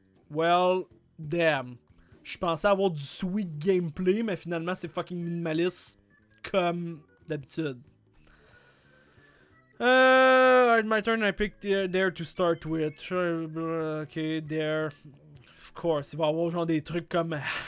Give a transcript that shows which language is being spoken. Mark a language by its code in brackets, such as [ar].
[en] Well, damn. [fr] Je pensais avoir du sweet gameplay, mais finalement, c'est fucking minimaliste. Comme d'habitude. [en] Alright, my turn. I picked there to start with. Okay, there. Of course. [fr] Il va y avoir genre des trucs comme...